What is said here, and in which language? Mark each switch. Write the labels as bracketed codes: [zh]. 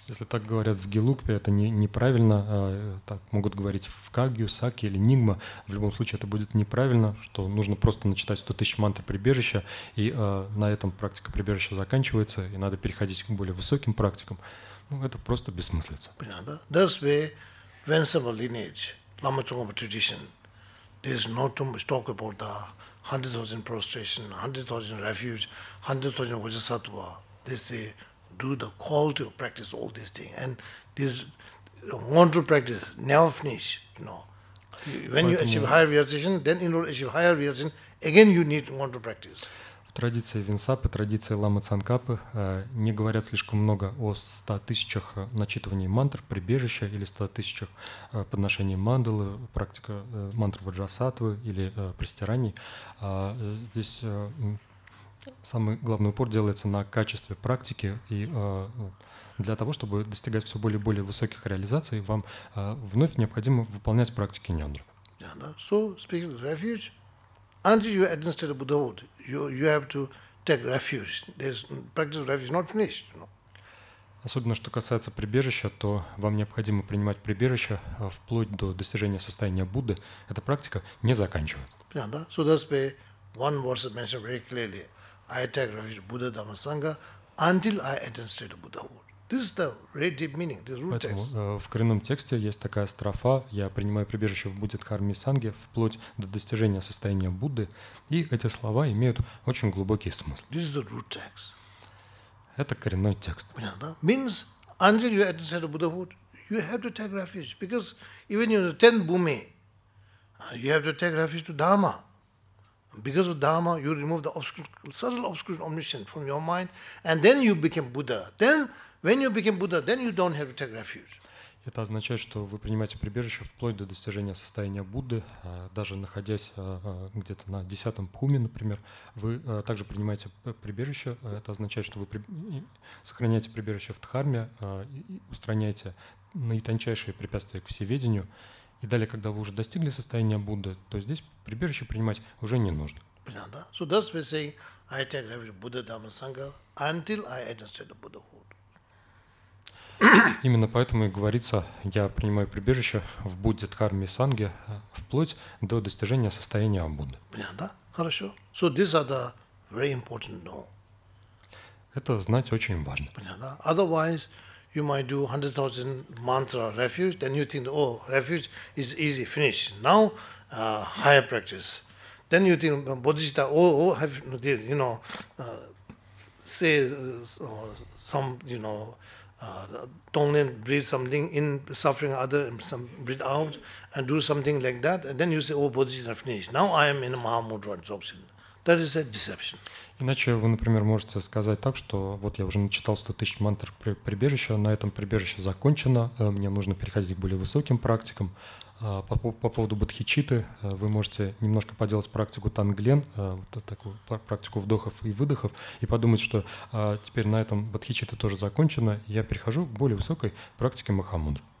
[ru] Если так говорят в Гелугпе, это неправильно. Так могут говорить в Кагью, Саке или Нигма. В любом случае, это будет неправильно, что нужно просто начитать 100 тысяч мантр прибежища, и на этом практика прибежища заканчивается, и надо переходить к более высоким практикам. Ну, это просто бессмыслица. Понятно? [en] That's the venerable lineage, Lama Tsongkhapa tradition. There is not too much talk about the 100,000 prostration, 100,000 refuge, 100,000 vajrasattva. They say, do the quality of practice, all these things. And this wonderful practice never finish, you know. When you achieve higher realization, then in order to achieve higher realization, again you need wonderful practice. [ru] В традиции Винсапы, традиции Ламы Цанкапы не говорят слишком много о 100 тысячах начитываний мантр, прибежища, или 100 тысячах подношений мандалы, практика мантр ваджасатвы или простираний. Здесь самый главный упор делается на качестве практики, и для того, чтобы достигать все более и более высоких реализаций, вам вновь необходимо выполнять практики ньондра. Yeah, да. [en] So, speaking of refuge, until you administer the Buddhahood, you have to take refuge. There's practice of refuge not finished, you know. [ru] Особенно, что касается прибежища, то вам необходимо принимать прибежище вплоть до достижения состояния Будды. Эта практика не заканчивается. Yeah, да. [en] So, that's why one verse mentioned very clearly. I take refuge Buddha Dhamma Sangha until I attain state of Buddhahood. This is the very deep meaning, the root text. [ru] В коренном тексте есть такая строфа: я принимаю прибежище в Будде Дхарме Санге вплоть до достижения состояния Будды. И эти слова имеют очень глубокий смысл. [en] This is the root text. [ru] Это коренной текст. Понятно? [en] Means until you attain state of Buddhahood, you have to take refuge, because even in the 10th bhumi, you have to take refuge to Dharma. Because of Dharma, you remove the subtle obscuration omniscient from your mind, and then you become Buddha. Then, when you become Buddha, then you don't have to take refuge. [ru] Это означает, что вы принимаете прибежище вплоть до достижения состояния Будды, даже находясь где-то на 10-м пхуме, например, вы также принимаете прибежище. Это означает, что вы сохраняете прибежище в дхарме, и устраняете наитончайшие препятствия к всеведению. И далее, когда вы уже достигли состояния Будды, то здесь прибежище принимать уже не нужно. Да. [en] So that's why say I take refuge Buddha Dhamma Sangha until I understand the Buddhahood. [ru] Именно поэтому и говорится, я принимаю прибежище в Будде, Дхарме и Санге вплоть до достижения состояния Будды. Понятно? Хорошо. [en] So these are the very important to know. [ru] Это знать очень важно. Понятно? [en] Otherwise, you might do 100,000 mantra refuge, then you think, oh, refuge is easy, finish. Now, higher practice. Then you think, bodhicitta, Tongnen breathe something in, suffering other, some breathe out, and do something like that. And then you say, oh, bodhicitta finished. Now I am in a Mahamudra absorption. That is a deception. [ru] Иначе вы, например, можете сказать так, что вот я уже начитал 100 тысяч мантр прибежища, на этом прибежище закончено, мне нужно переходить к более высоким практикам. По поводу бодхичитты, вы можете немножко поделать практику танглен, вот такую практику вдохов и выдохов, и подумать, что теперь на этом бодхичитта тоже закончено, я перехожу к более высокой практике махамудр.